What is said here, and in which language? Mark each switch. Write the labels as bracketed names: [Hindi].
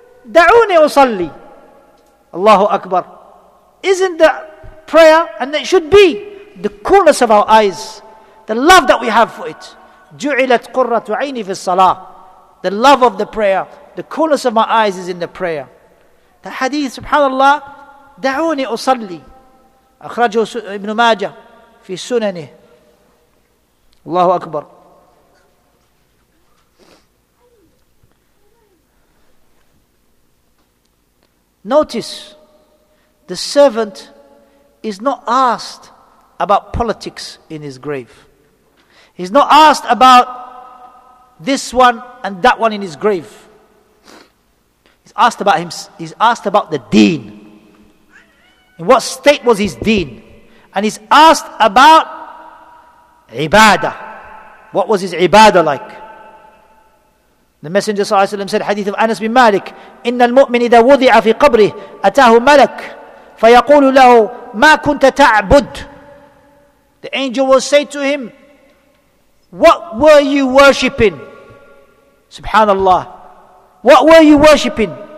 [Arabic] دعوني أصلي. Allahu Akbar. [English] Isn't the prayer, and it should be, the coolness of our eyes, the love that we have for it. [Arabic] جُعِلَتْ قُرَّةُ عَيْنِي فِي الصَّلَاةِ, [English] the love of the prayer, the coolness of my eyes is in the prayer. The hadith, [Arabic] subhanallah, دعوني أصلي, أخرجه ابن ماجة في سننه. الله أكبر. [English] Notice, the servant is not asked about politics in his grave. He's not asked about this one and that one in his grave. He's asked about him. He's asked about the deen. In what state was his deen? And he's asked about ibadah. What was his ibadah like? The Messenger sallallahu alaihi wasallam said, hadith of Anas bin Malik, [Arabic] إِنَّ الْمُؤْمِنِ إِذَا وُضِعَ فِي قَبْرِهِ أَتَاهُ مَلَكُ فيقول له ما كنت تعبد. [English] The angel will say to him, what were you worshipping? Subhanallah. What were you worshipping?